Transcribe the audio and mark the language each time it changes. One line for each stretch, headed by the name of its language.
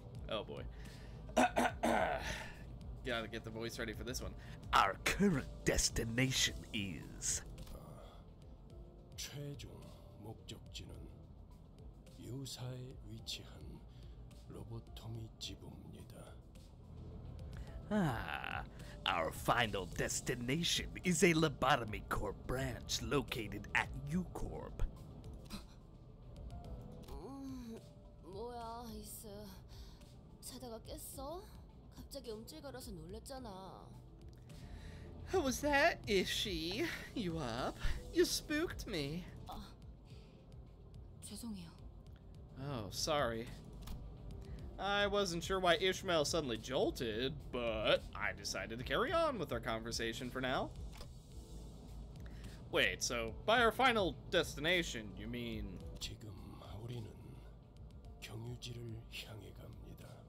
English: Oh boy. Gotta get the voice ready for this one. Our current destination is...
Korean: 최종 목적지는 유사에 위치한 로보토미 지부입니다.
English: Ah, our final destination is a Lobotomy Corp branch located at U-Corp.
Korean: 뭐야, 이스. 자다가 깼어? 갑자기 움찔거려서 놀랬잖아.
English: What was that, Ishii? You up? You spooked me.
Korean: 죄송해요.
English: Oh, sorry. I wasn't sure why Ishmael suddenly jolted, but I decided to carry on with our conversation for now. Wait, so by our final destination, you mean...
Korean: 지금 우리는 경유지를 향해 갑니다.